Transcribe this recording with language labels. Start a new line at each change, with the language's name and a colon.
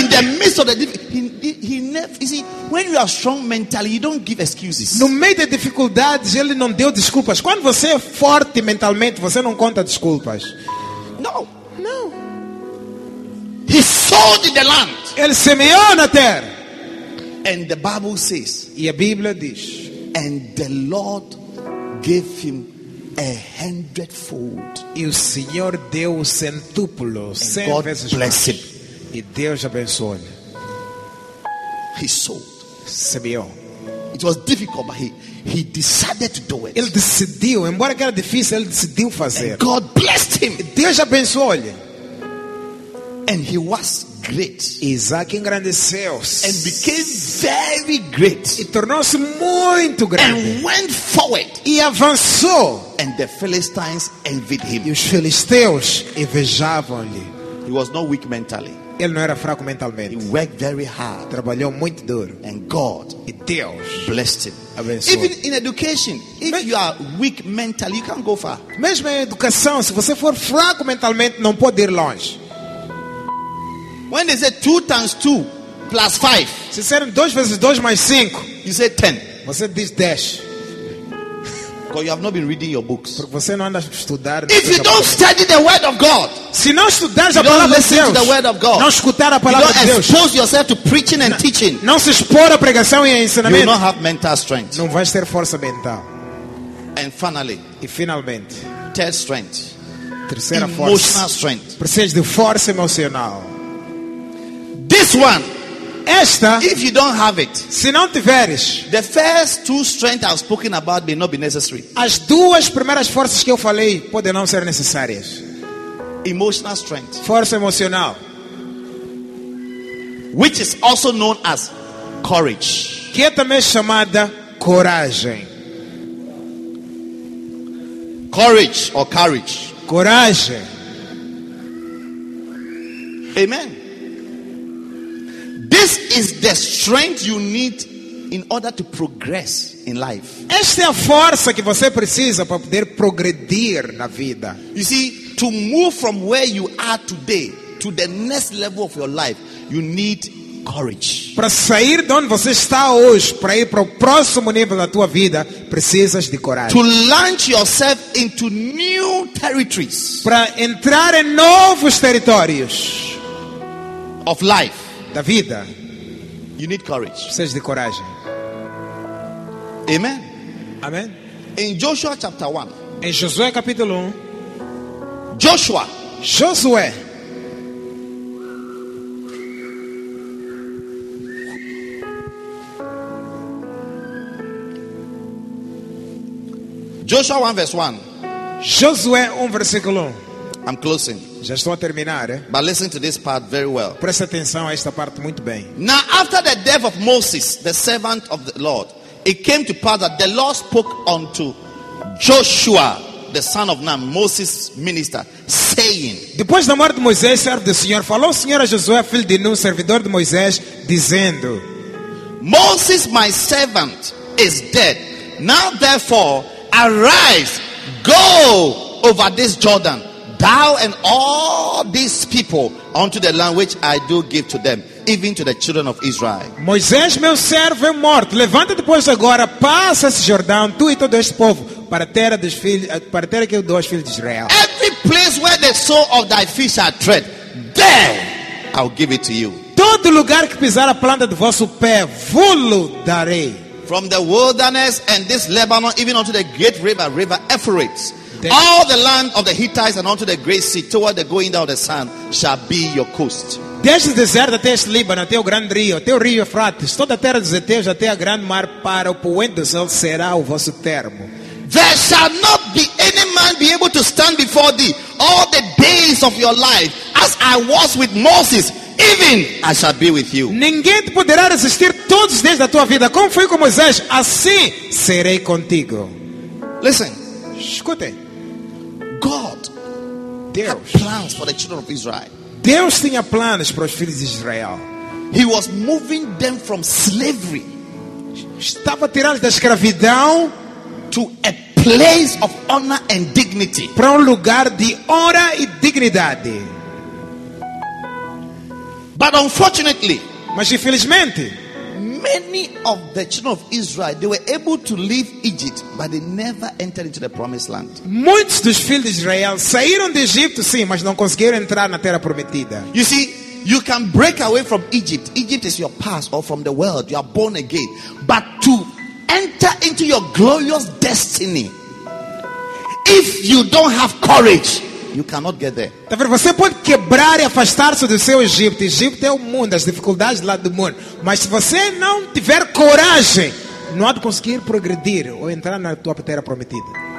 English: in the midst of the difficulty, he see, when you are strong mentally, you don't give excuses.
Portuguese: No meio da dificuldades, ele não deu desculpas. Quando você é forte mentalmente, você não conta desculpas.
English: No, no. He sowed in the land.
Portuguese: Ele semeou na terra.
English: And the Bible says,
Portuguese: e a Bíblia diz,
English: and the Lord gave him a hundredfold.
Portuguese: E o Senhor deu o centúpulo, cem vezes mais. E Deus abençoou-lhe.
English: He sold.
Portuguese: Semeou.
English: It was difficult, but he decided to do it.
Portuguese: Ele decidiu, embora que era difícil, ele decidiu fazer.
English: And God blessed him.
Portuguese: E Deus abençoou-lhe.
English: And he was great.
Portuguese: Isaac engrandeceu.
English: And became very great.
Portuguese: E tornou-se muito grande.
English: And went forward.
Portuguese: E avançou.
English: And the Philistines envied him.
Portuguese: E os filisteus invejavam-lhe.
English: He was not weak mentally.
Portuguese: Ele não era fraco mentalmente.
English: He worked very hard.
Portuguese: Trabalhou muito duro.
English: And God,
Portuguese: e Deus,
English: blessed him.
Portuguese: Abençoou.
English: Even in education, if you are weak mentally, you can't go far.
Portuguese: Mesmo em educação, se você for fraco mentalmente, não pode ir longe.
English: When they say 2 times 2 plus 5,
Portuguese: se disseram 2 vezes 2 mais 5,
English: you say 10.
Portuguese: Você diz 10.
English: Because you have not been reading your books.
Portuguese: Porque você não anda a estudar.
English: If you don't study the word of God,
Portuguese: se não estudares a palavra de Deus,
English: to the word of God,
Portuguese: não escutar a palavra de Deus,
English: expose yourself to preaching and teaching,
Portuguese: não se expor à pregação e a ensinamento,
English: you will not have mental strength.
Portuguese: Não vais ter força mental.
English: And finally,
Portuguese: e finalmente,
English: third strength,
Portuguese: terceira
English: emotional
Portuguese: força,
English: strength.
Portuguese: Precisa de força emocional.
English: This one,
Portuguese: esta,
English: if you don't have it,
Portuguese: se não tiveres,
English: the first two strengths I've spoken about may not be necessary.
Portuguese: As duas primeiras forças que eu falei podem não ser necessárias.
English: Emotional strength,
Portuguese: força emocional,
English: which is also known as courage,
Portuguese: que é também chamada coragem.
English: Courage or courage,
Portuguese: coragem.
English: Amen. This is the strength you need in order to progress in life.
Portuguese: Esta é a força que você precisa para poder progredir na vida.
English: You see, to move from where you are today to the next level of your life, you need courage.
Portuguese: Para sair de onde você está hoje, para ir para o próximo nível da tua vida, precisas de coragem.
English: To launch yourself into new territories.
Portuguese: Para entrar em novos territórios
English: of life.
Portuguese: Da vida.
English: You need courage.
Portuguese: Precisa de coragem.
English: Amen. Amen. In Joshua chapter 1.
Portuguese: Em Josué capítulo 1.
English: Joshua.
Portuguese: Josué.
English: Joshua 1 verse 1.
Portuguese: Josué 1 versículo 1.
English: I'm closing.
Portuguese: Já estou a terminar, eh?
English: But listen to this part very well.
Portuguese: Preste atenção a esta parte muito bem.
English: Now after the death of Moses, the servant of the Lord, it came to pass that the Lord spoke unto Joshua, the son of Nun, Moses' minister, saying.
Portuguese: Depois da morte de Moisés, servo do Senhor, falou o Senhor a Josué, filho de Nun, servidor de Moisés, dizendo:
English: Moses, my servant, is dead. Now therefore, arise, go over this Jordan, thou and all these people, unto the land which I do give to them, even to the children of Israel.
Portuguese: Moisés, meu servo, é morto. Levanta depois agora, passa esse Jordão, tu e todo este povo, para a terra dos filhos, para a terra que eu dou aos filhos de Israel.
English: Every place where the sole of thy feet shall tread, there I'll give it to you.
Portuguese: Todo lugar que pisar a planta do vosso pé, vou-lo darei.
English: From the wilderness and this Lebanon, even unto the great river, river Euphrates, all the land of the Hittites and unto the great sea, toward the going down of the sun, shall be your coast.
Portuguese: Desde o deserto até este Líbano, até o grande rio, até o rio Eufrates, toda a terra dos Eteus, até a grande mar, para o poente do sol será o vosso termo.
English: There shall not be any man be able to stand before thee all the days of your life, as I was with Moses, even I shall be with you.
Portuguese: Ninguém te poderá resistir todos os dias da tua vida, como fui com Moisés, assim serei contigo.
English: Listen.
Portuguese: Escute.
English: God,
Portuguese: Deus,
English: had plans for the children of Israel.
Portuguese: Deus tinha planos para os filhos de Israel.
English: He was moving them from slavery.
Portuguese: Estava tirando da escravidão
English: to a place of honor and dignity.
Portuguese: Para lugar de honra e dignidade.
English: But unfortunately,
Portuguese: mas infelizmente,
English: many of the children of Israel, they were able to leave Egypt, but they never entered into the promised land.
Portuguese: Muitos dos filhos de Israel saíram do Egito, sim, mas não conseguiram entrar na terra prometida.
English: You see, you can break away from Egypt. Egypt is your past, or from the world. You are born again. But to enter into your glorious destiny, if you don't have courage, you cannot get there.
Portuguese: Você pode quebrar e afastar-se do seu Egito. Egito é o mundo, as dificuldades lá do mundo. Mas se você não tiver coragem, não há de conseguir progredir ou entrar na tua terra prometida.